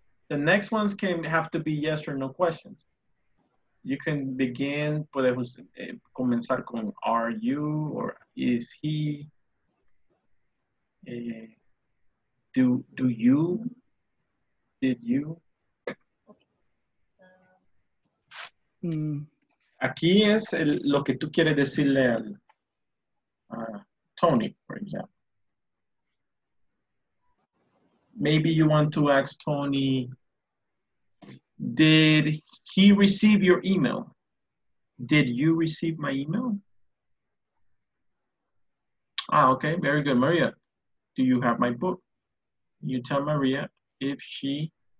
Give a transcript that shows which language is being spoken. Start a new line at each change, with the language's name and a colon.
English: The next ones can have to be yes or no questions. You can begin,
Spanish: podemos comenzar con
English: are you or is he, do you, did you.
Spanish: Aquí es lo que tú quieres decirle al Tony,
English: for example. Maybe you want to ask Tony, did he receive your email? Did you receive my email? Okay, very good. Maria, do you have my book? You tell Maria if she...